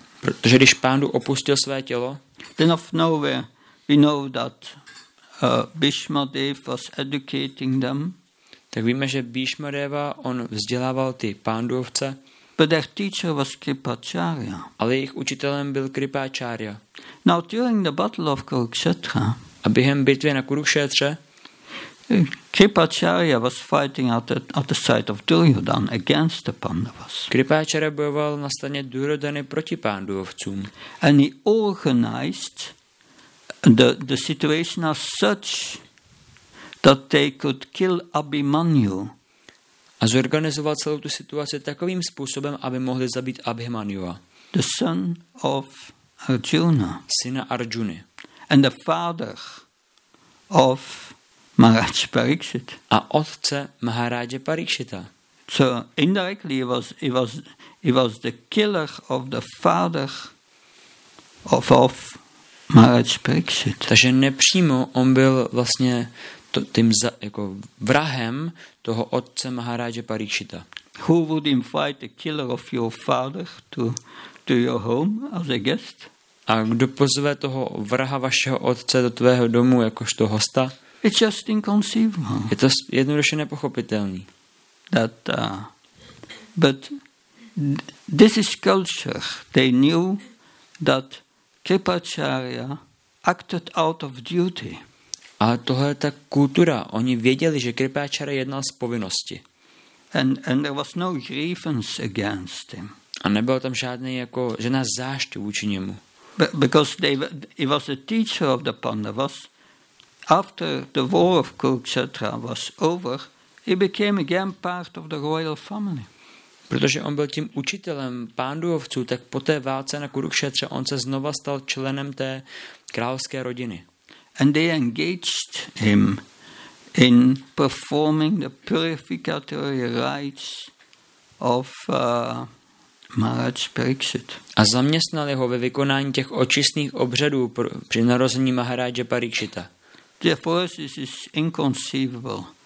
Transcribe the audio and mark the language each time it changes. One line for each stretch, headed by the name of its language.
Czech: protože když Pandu opustil své tělo,
English: then of nowhere we know that Bhishma Dev was educating them.
Czech: Tak víme, že Bhishma Deva on vzdělával ty Panduovce.
English: But their teacher was Kripacharya.
Czech: Ale jejich učitelem byl Kripacharya.
English: Now during the battle of Kurukshetra.
Czech: A během bitvy na Kurukshetře.
English: Kripacharya was fighting at the side of Duryodhan against the Pandavas.
Czech: Kripacharya bojoval na straně Duryodhany proti Panduovcům.
English: And he organized the situation as such that they could kill Abhimanyu.
Czech: A zorganizoval celou tu situaci takovým způsobem, aby mohli zabít Abhimanyuva.
English: The son of Arjuna.
Czech: Syna Arjuny.
English: And the father of Maharaj Parikshit.
Czech: A otce Maharaje Parikshita.
English: So indirectly he was the killer of the father of Maharaj Parikshit.
Czech: Takže nepřímo on byl vlastně tím jako vrahem toho otce Maharaje Parikshita.
English: Who would invite the killer of your father to your home as a guest?
Czech: A kdo pozve toho vraha vašeho otce do tvého domu jakožto hosta?
English: It's just inconceivable.
Czech: Je to jednoduše nepochopitelný.
English: But this is culture. They knew that Kripacharya acted out of duty.
Czech: A tohle je ta kultura. Oni věděli, že Kripacharya jednal z povinnosti.
English: And there was no grievance against him.
Czech: A nebylo tam žádný jako žádná zášť vůči němu.
English: Because he was a teacher of the Pandavas. After the war of Kurukshetra was over, he became again part of the royal family.
Czech: Protože on byl tím učitelem Panduovců, tak po té válce na Kurukshetře on se znova stal členem té královské rodiny.
English: And they engaged him in performing the purificatory rites of Maharaj Parikshit.
Czech: A zaměstnali ho ve vykonání těch očistných obřadů při narození Maharaje Parikshita.
English: Therefore, this is inconceivable.